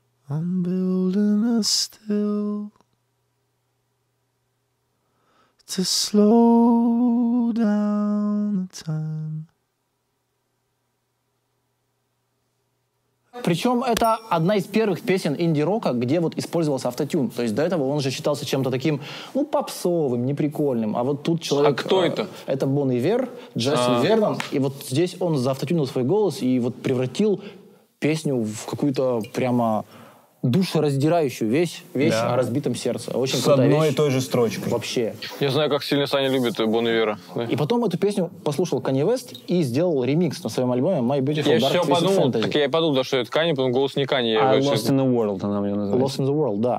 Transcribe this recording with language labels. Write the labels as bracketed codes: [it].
[en] I'm building a still to slow down the time. [ru] Причем это одна из первых песен инди-рока, где вот использовался автотюн. То есть до этого он же считался чем-то таким, ну, попсовым, неприкольным. А вот тут человек... А кто это? Это Бон Ивер, Джастин Вернон. И вот здесь он заавтотюнил свой голос и вот превратил песню в какую-то прямо душераздирающую вещь о разбитом сердце. Очень крутая вещь. С одной и той же строчкой. Вообще. Я знаю, как сильно Саня любит Бон Ивера. Да. И потом эту песню послушал Канье Вест и сделал ремикс на своем альбоме My Beautiful я [en] Dark Twisted [ru] подумал, [en] Fantasy. [ru] Так я и подумал, да, что это Канье, потом голос не Канье. Lost in the World, она мне называется. Lost in the World, да.